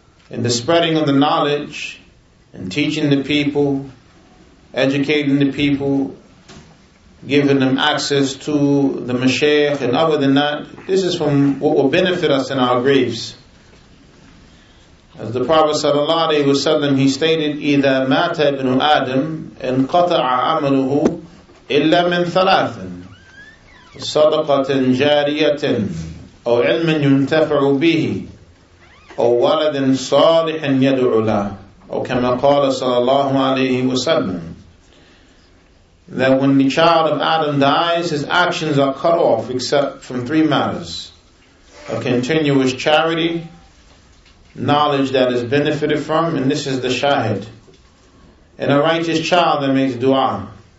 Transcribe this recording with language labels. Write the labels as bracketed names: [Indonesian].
[English] In the spreading of the knowledge, and teaching the people, educating the people, giving them access to the mashayikh, and other than that, this is from what will benefit us in our graves. As the Prophet sallallahu alayhi wa sallam, he stated, [Arabic] إِذَا مَاتَ ابْنُ آدَمَ انْقَطَعَ عَمَلُهُ إِلَّا مِنْ ثَلَاثٍ صدقة جارية أو علم ينتفع به أو ولد صالح يدعو له أو كما قال صلى الله عليه وسلم. [English] That when the child of Adam dies, his actions are cut off except from three matters: a continuous charity, knowledge that is benefited from, and this is the shahid, and a righteous child that makes dua.